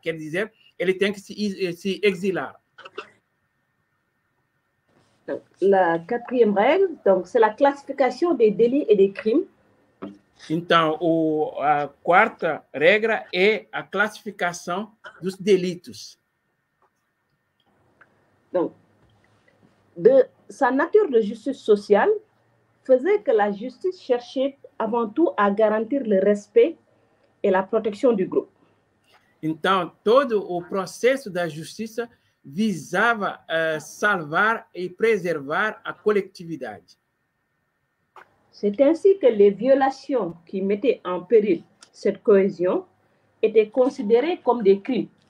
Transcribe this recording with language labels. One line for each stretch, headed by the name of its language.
Portuguese: Quer dizer, ele tem que se exilar.
French: La quatrième règle, donc, c'est la classification des délits et des crimes.
Portuguese: Então, a quarta regra é a classificação dos delitos.
French: Então, de sa nature de justice sociale faisait que la justice cherchait avant tout à garantir le respect et la protection du groupe.
Portuguese: Então, todo o processo da justiça visava salvar e preservar a coletividade.
French: C'est ainsi que les violations qui mettaient en péril cette cohésion étaient considérées comme des crimes.